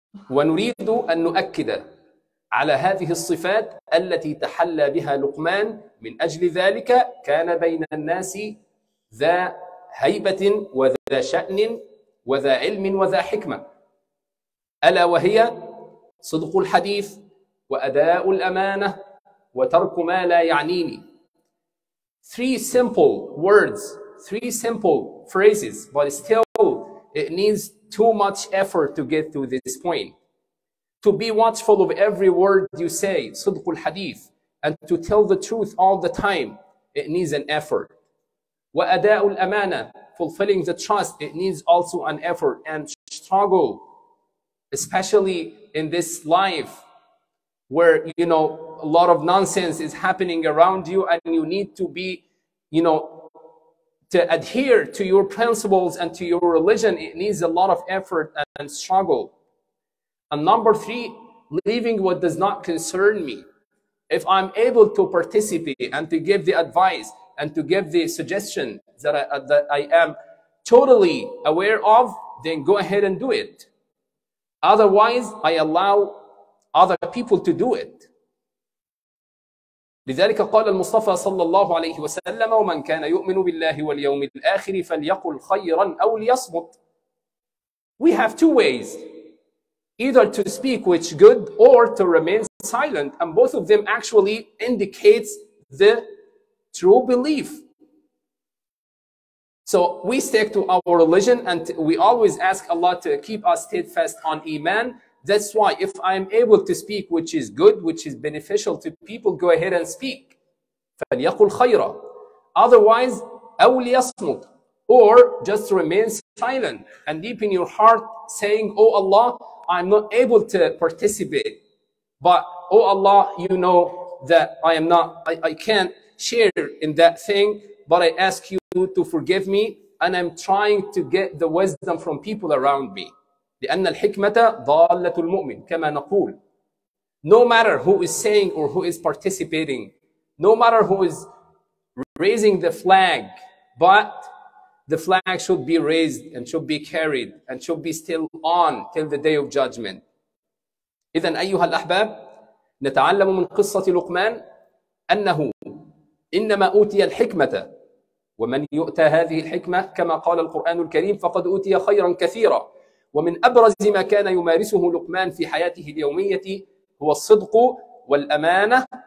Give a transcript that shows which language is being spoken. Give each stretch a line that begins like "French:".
Arabic: ونريد أن نؤكد على هذه الصفات التي تحلى بها لقمان، من أجل ذلك كان بين الناس ذا هيبة وذا شأن وذا علم وذا حكمة، ألا وهي صدق الحديث وأداء الأمانة وترك ما لا يعنيني.
English: Three simple words, three simple phrases, but still it needs too much effort to get to this point. To be watchful of every word you say,
Arabic: صدق الحديث,
English: and to tell the truth all the time, it needs an effort.
Arabic: وأداء الأمانة,
English: fulfilling the trust, it needs also an effort and struggle, especially in this life where, you know, a lot of nonsense is happening around you and you need to be, you know, to adhere to your principles and to your religion, it needs a lot of effort and struggle. And number three, leaving what does not concern me. If I'm able to participate and to give the advice and to give the suggestion that I am totally aware of, then go ahead and do it. Otherwise, I allow other people to do it.
Arabic: لذلك قال المصطفى صلى الله عليه وسلم ومن كان يؤمن بالله واليوم الآخر فليقل خيرا أو ليصمت.
English: We have two ways. Either to speak which good or to remain silent. And both of them actually indicates the true belief. So we stick to our religion and we always ask Allah to keep us steadfast on Iman. That's why if I am able to speak which is good, which is beneficial to people, go ahead and speak.
Arabic: فَلْيَقُلْ خَيْرًا.
English: Otherwise,
Arabic: أَوْ لِيَصْمُتْ.
English: Or just remain silent and deep in your heart saying, Oh Allah, I'm not able to participate, but oh Allah, you know that I can't share in that thing, but I ask you to forgive me, and I'm trying to get the wisdom from people around me.
Arabic: لأن الحكمة ضالة المؤمن كما نقول.
English: No matter who is saying or who is participating, no matter who is raising the flag, but the flag should be raised and should be carried and should be still on till the day of judgment.
Arabic: إذن أيها الأحباب نتعلم من قصة لقمان أنه إنما أوتي الحكمة ومن يؤتى هذه الحكمة كما قال القرآن الكريم فقد أوتي خيرا كثيرا. ومن أبرز ما كان يمارسه لقمان في حياته اليومية هو الصدق والأمانة